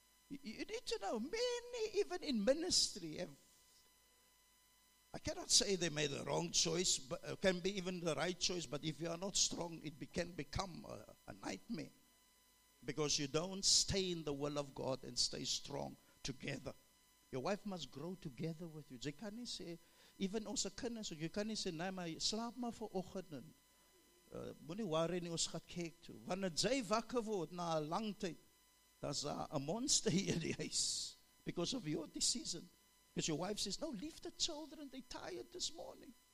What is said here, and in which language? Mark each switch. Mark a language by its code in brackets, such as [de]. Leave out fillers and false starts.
[en] You need to know, many even in ministry have, I cannot say they made the wrong choice, but can be even the right choice, but if you are not strong, can become a nightmare. Because you don't stay in the will of God and stay strong together. Your wife must grow together with you. They can't say, even also kinders, you can't say, nah, my slaap maar vir oggend. [af] Moenie worry nie, ons gaan kyk toe. Wanneer jy wakker word na 'n lang tyd, daar's 'n monster hier in die huis. [en] Because of your decision. Because your wife says, no, leave the children, they're tired this morning.